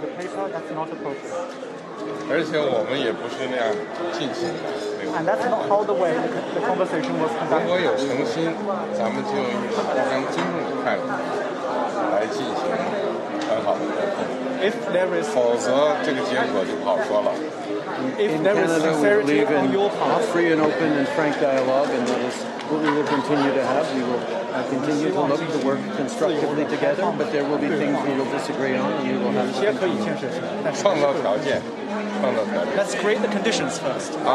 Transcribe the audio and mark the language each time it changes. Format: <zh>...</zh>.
<en>Everything we discuss is then leaked to the paper. That's not appropriate. And that's not how the way the conversation was conducted.</en> <zh>如果有诚心, 咱们就用互相尊重的态度来进行很好的沟通。</zh> <en>If there is,</en> <zh>否则这个结果就不好说了。</zh> <en>If there is sincerity on your part, free and open and frank dialogue, and that is what we will continue to have, we will continue to look to work constructively together, but there will be things we will disagree on, and we will have to continue.</en> <zh>创造条件。</zh> <en>Let's create the conditions first.</en>